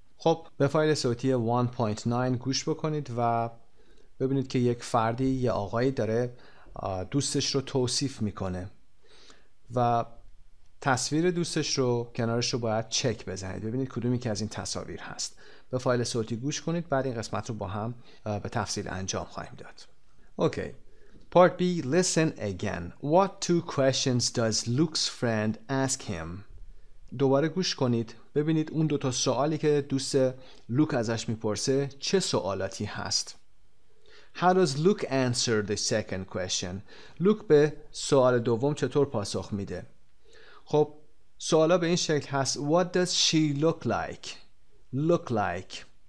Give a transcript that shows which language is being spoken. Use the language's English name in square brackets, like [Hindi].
[Persian] خب به فایل صوتی 1.9 گوش بکنید و ببینید که یک فردی یا آقایی داره دوستش رو توصیف میکنه و تصویر دوستش رو کنارش رو باید چک بزنید ببینید کدومی که از این تصاویر هست. به فایل صوتی گوش کنید، بعد این قسمت رو با هم به تفصیل انجام خواهیم داد. [English] Okay. Part B. Listen again. What two questions does Luke's friend ask him? [Persian] دوباره گوش کنید ببینید اون دوتا سوالی که دوست لوک ازش میپرسه چه سوالاتی هست. [English] How does Luke answer the second question? [Persian] لوک به سوال دوم چطور پاسخ میده؟ خب سوالا به این شکل هست: [English] What does she look like? Look like.